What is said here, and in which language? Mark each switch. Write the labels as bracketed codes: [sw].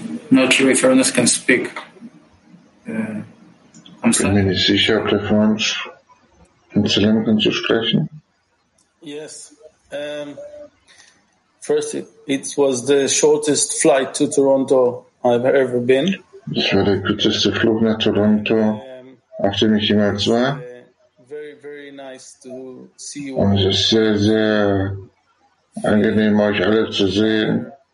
[en] Not sure if Ernest can speak. I'm sorry. [de] Bin mir nicht sicher, ob der Franz in Zylinder zu sprechen. [en] Yes. First, it was the shortest flight to Toronto I've ever been. [de] Das war der kürzeste Flug nach Toronto, auf dem ich jemals war. [en] Very, very nice to see you. [de] Und es ist sehr, sehr angenehm, euch alle zu sehen.